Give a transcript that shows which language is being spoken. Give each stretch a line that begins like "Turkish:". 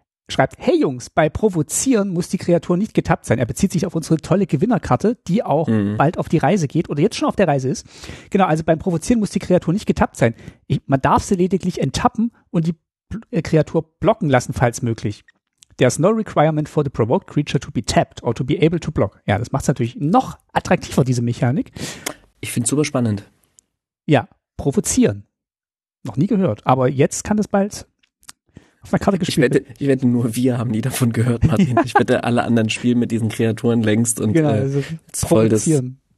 German: Schreibt, hey Jungs, bei Provozieren muss die Kreatur nicht getappt sein. Er bezieht sich auf unsere tolle Gewinnerkarte, die auch bald auf die Reise geht oder jetzt schon auf der Reise ist. Genau, also beim Provozieren muss die Kreatur nicht getappt sein. Man darf sie lediglich enttappen und die Kreatur blocken lassen, falls möglich.
English: There's no requirement for the provoked creature to be tapped or to be able to block.
German: Ja, das macht es natürlich noch attraktiver, diese Mechanik. Ich finde es super spannend. Ja, provozieren. Noch nie gehört, aber jetzt kann das bald auf einer Karte gespielt werden. Ich wette, nur wir haben nie davon gehört, Martin. Ja. Ich wette, alle anderen spielen mit diesen Kreaturen längst und genau, also provozieren.